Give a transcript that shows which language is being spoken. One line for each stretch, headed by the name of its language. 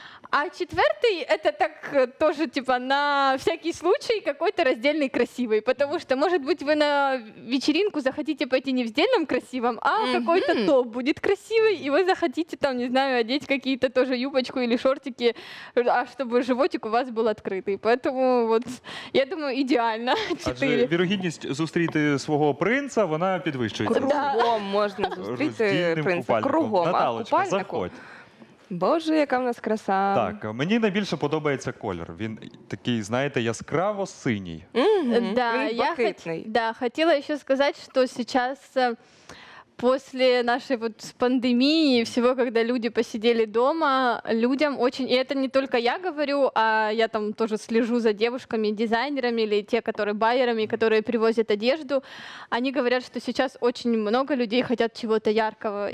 Russian: А четвертый – это так тоже, типа, на всякий случай какой-то раздельный красивый. Потому что, может быть, вы на вечеринку захотите пойти не в сдельном красивом, а какой-то топ будет красивый, и вы захотите, там, не знаю, одеть какие-то тоже юбочку или шортики, а чтобы животик у вас был открытый. Поэтому, вот, я думаю, идеально.
Ukrainian: Адже вероятность зустріти свого принца, вона підвищується. Кругом можна зустріти принца. Кругом. Наталочка, заходь. Боже, яка в нас краса. Так, мені найбільше подобається колір. Він такий, знаєте, яскраво-синій. Да, бакитний. Да, хотіла ще сказати, що зараз...
Russian: После нашей вот пандемии, всего, когда люди посидели дома, людям очень, и это не только я говорю, а я там тоже слежу за девушками, дизайнерами или те, которые байерами, которые привозят одежду, они говорят, что сейчас очень много людей хотят чего-то яркого.